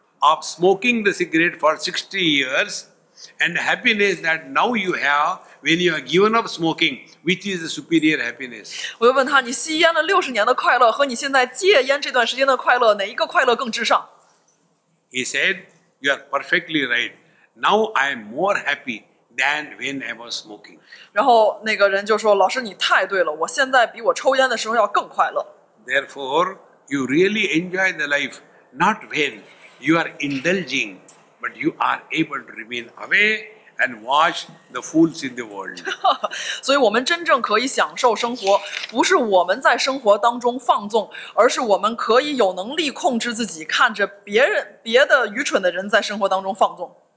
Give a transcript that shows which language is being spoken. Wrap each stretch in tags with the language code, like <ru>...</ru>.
<en>Of smoking the cigarette for 60 years, and happiness that now you have when you are given up smoking, which is the superior happiness?</en> <zh>我就问他，你吸烟了六十年的快乐和你现在戒烟这段时间的快乐，哪一个快乐更至上？</zh> <en>He said, "You are perfectly right. Now I am more happy than when I was smoking."</en> <zh>然后那个人就说，老师你太对了，我现在比我抽烟的时候要更快乐。</zh> <en>Therefore, you really enjoy the life not when you are indulging, but you are able to remain away. And watch the fools in the world.</en> <zh>所以我们真正可以享受生活，不是我们在生活当中放纵，而是我们可以有能力控制自己，看着别的愚蠢的人在生活当中放纵。</zh>